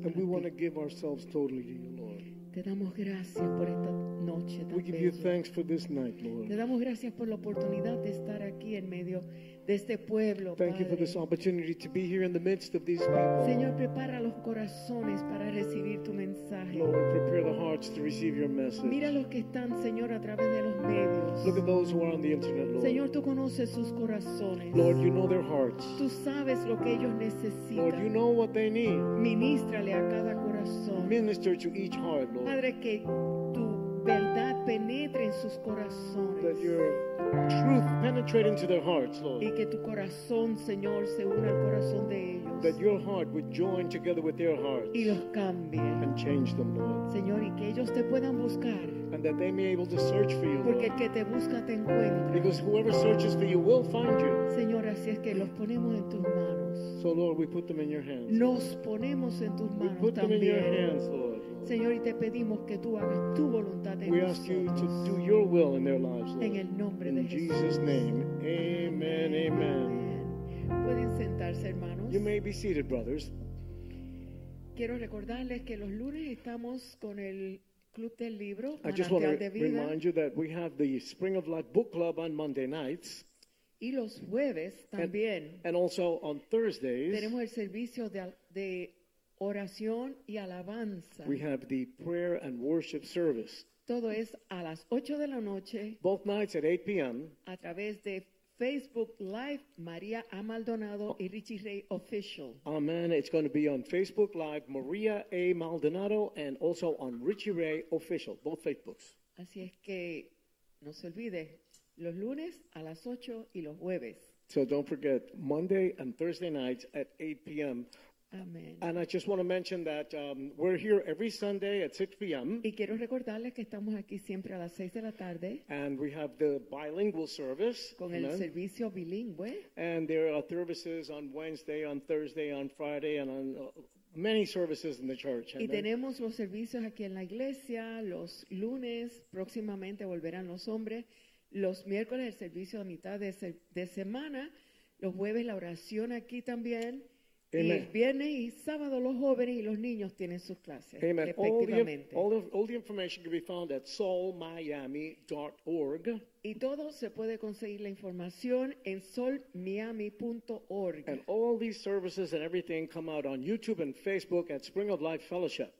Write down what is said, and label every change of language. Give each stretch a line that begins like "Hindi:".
English: And we want to give ourselves totally to you, Lord.
Spanish: Te damos gracias por esta noche tan bella.
English: We give you thanks for this night, Lord.
Spanish: Te damos gracias por la oportunidad de estar aquí en medio de este pueblo,
English: Thank
Spanish: Padre.
English: You for this opportunity to be here in the midst of these people.
Spanish: Señor, prepara los corazones para recibir tu mensaje.
English: Lord, prepare the hearts to receive your message.
Spanish: Mira los que están, Señor, a través de los medios.
English: Look at those who are on the internet, Lord.
Spanish: Señor, tú conoces sus corazones.
English: Lord, you know their hearts.
Spanish: Tú sabes lo que ellos necesitan.
English: Lord, you know what they need.
Spanish: Ministrale a cada corazón.
English: Minister to each heart, Lord.
Spanish: Padre, que tu verdad penetre en sus corazones.
English: That your truth penetrate into their hearts, Lord.
Spanish: Y que tu corazón, Señor, se una al corazón de ellos.
English: That your heart would join together with their hearts.
Spanish: Y los cambie.
English: And change them, Lord.
Spanish: Señor, y que ellos te puedan buscar.
English: And that they may be able to search for you,
Spanish: Porque
English: Lord.
Spanish: El que te busca te encuentra.
English: Because whoever searches for you will find you.
Spanish: Señor, así es que los ponemos en tus manos.
English: So, Lord, we put them in your hands.
Spanish: Nos ponemos en tus manos
English: we put
Spanish: también.
English: Them in your hands, Lord.
Spanish: Señor, y te pedimos que tú hagas tu voluntad en
English: We ask you to do your will in their lives, Lord.
Spanish: En el nombre
English: in
Spanish: de
English: Jesus'
Spanish: Jesús.
English: Name. Amen, amen. Amen.
Spanish: Pueden sentarse, hermanos.
English: You may be seated, brothers.
Spanish: Quiero recordarles que los lunes estamos con el Club del Libro,
English: I just want to remind you that we have the Spring of Life Book Club on Monday nights.
Spanish: Y los jueves también.
English: And also on Thursdays.
Spanish: Tenemos el servicio de oración y alabanza.
English: We have the prayer and worship service.
Spanish: Todo es a las 8 de la noche.
English: Both nights at 8 p.m.
Spanish: A través de Facebook Live, María A. Maldonado y Richie Ray Official. Amen.
English: It's going to be on Facebook Live, María A. Maldonado, and also on Richie Ray Official, both Facebooks.
Spanish: Así es que no se olvide, los lunes a las 8 y los jueves.
English: So don't forget, Monday and Thursday nights at 8 p.m., Amen. And I just want to mention that we're here every Sunday at 6 p.m.
Spanish: Y quiero recordarles que estamos aquí siempre a las 6 de la tarde.
English: And we have the bilingual service.
Spanish: Con el servicio bilingüe.
English: And there are services on Wednesday, on Thursday, on Friday, and on many services in the church.
Spanish: Y tenemos los servicios aquí en la iglesia, los lunes, próximamente volverán los hombres, los miércoles el servicio a mitad de semana, los jueves la oración aquí también. Amen. Y viernes y sábado los jóvenes y los niños tienen sus clases, Amen. Respectivamente.
English: All the information can be found at soulmiami.org.
Spanish: Y todo se puede conseguir la información en soulmiami.org.
English: And all these services and everything come out on YouTube and Facebook at Spring of Life Fellowship.